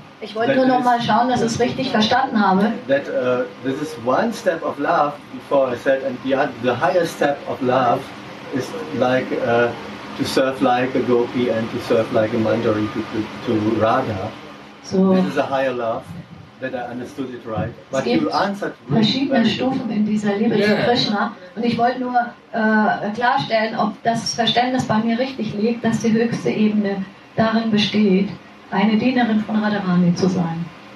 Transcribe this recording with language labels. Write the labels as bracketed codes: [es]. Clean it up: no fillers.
[de] Ich wollte nur noch mal schauen, dass ich es richtig verstanden habe. [en] That this is one step of love before I said, and the highest step of love is like to serve like a gopi and to serve like a mandari to Radha. So this is a higher love. That I understood it right. But [de] es gibt verschiedene Stufen in dieser Liebe zu Krishna. Und ich wollte nur klarstellen, ob das Verständnis bei mir richtig liegt, dass die höchste Ebene darin besteht, eine Dienerin von Radharani zu sein.